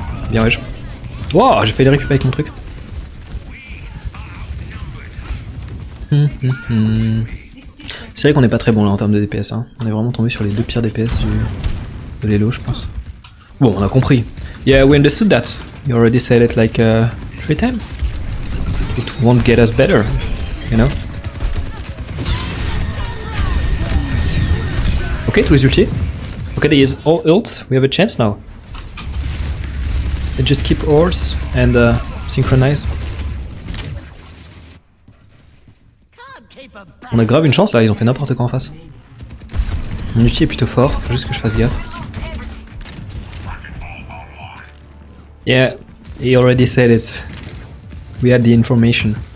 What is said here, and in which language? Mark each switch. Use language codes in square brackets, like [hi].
[fr] Bien wesh. Wow, j'ai failli les récupérer avec mon truc. C'est vrai qu'on est pas très bon là en termes de DPS. Hein. On est vraiment tombé sur les deux pires DPS du... de l'élo, je pense. Bon, on a compris. [en] Yeah, we understood that. You already said it like three times. It won't get us better, you know? Ok, [fr] tous les ultis. [en] Ok, they use all ults. We have a chance now. They just keep ores and synchronize. [fr] On a grave une chance là, ils ont fait n'importe quoi en face. Mon ulti est plutôt fort, faut juste que je fasse gaffe. [en] Yeah, he already said it. We had the information.